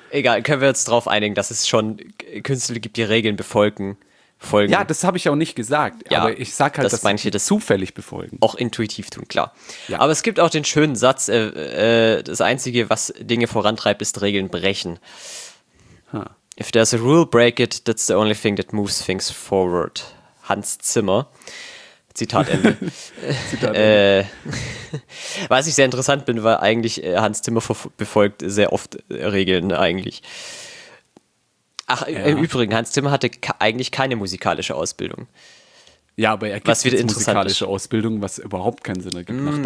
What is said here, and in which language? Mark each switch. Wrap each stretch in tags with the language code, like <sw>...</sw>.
<de>Egal, können wir jetzt drauf einigen, dass es schon Künstler gibt, die Regeln folgen. Ja, das habe ich auch nicht gesagt. Ja, aber ich sag halt, dass manche das zufällig befolgen. Auch intuitiv tun, klar. Ja. Aber es gibt auch den schönen Satz, das Einzige, was Dinge vorantreibt, ist Regeln brechen. Huh.</de> <en>If there's a rule, break it, that's the only thing that moves things forward.</en> <de>Hans Zimmer. Zitat Ende. was ich sehr interessant bin, weil eigentlich Hans Zimmer befolgt sehr oft Regeln eigentlich. Ach, im Übrigen, Hans Zimmer hatte eigentlich keine musikalische Ausbildung. Ja, aber er gibt jetzt musikalische Ausbildung, was überhaupt keinen Sinn ergibt.</de>